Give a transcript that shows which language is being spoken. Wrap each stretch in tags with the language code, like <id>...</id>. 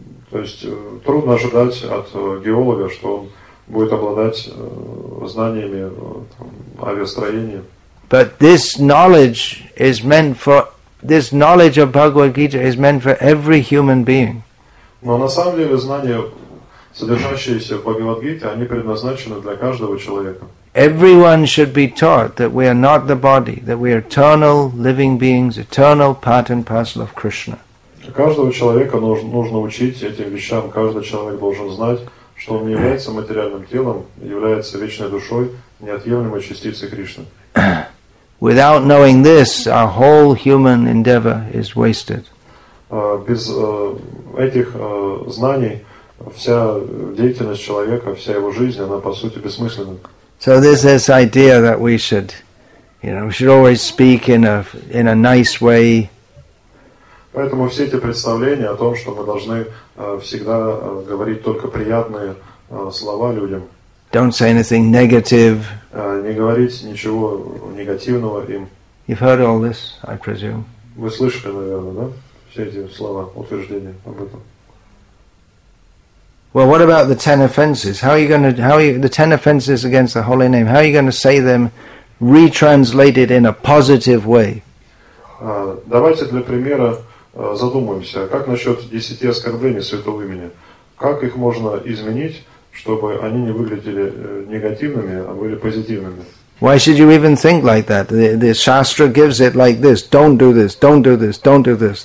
<ru>То есть, трудно ожидать от геолога, что он будет обладать знаниями авиастроения.</ru> <en>But this knowledge is meant for, this knowledge of Bhagavad Gita is meant for every human being.</en> <ru>Но на самом деле знания, содержащиеся в Бхагавад-гите, они предназначены для каждого человека.</ru> <en>Everyone should be taught that we are not the body, that we are eternal living beings, eternal part and parcel of Krishna.</en> <ru>Каждого человека нужно учить этим вещам. Каждый человек должен знать, что он не является материальным телом, является вечной душой, неотъемлемой частицей Кришны.</ru> <en>Without knowing this, our whole human endeavor is wasted.</en> <ru>Без этих знаний вся деятельность человека, вся его жизнь, она по сути бессмысленна.</ru> <en>So there's this idea that we should, you know, we should always speak in a nice way.</en> <ru>Поэтому все эти представления о том, что мы должны всегда говорить только приятные слова людям.</ru> <en>Don't say anything negative.</en> <ru>Не говорить ничего негативного им.</ru> <en>You've heard all this, I presume.</en> <ru>Вы слышали, наверное, да? Все эти слова, утверждения об этом.</ru> <en>Well, what about the 10 offenses? The 10 offenses against the holy name? How are you going to say them, retranslated in a positive way?</en> <ru>Давайте для примера задумаемся, как насчет 10 оскорблений святого имени? Как их можно изменить, чтобы они не выглядели негативными, а были позитивными?</ru> <en>Why should you even think like that? The Shastra gives it like this: don't do this, don't do this, don't do this.</en>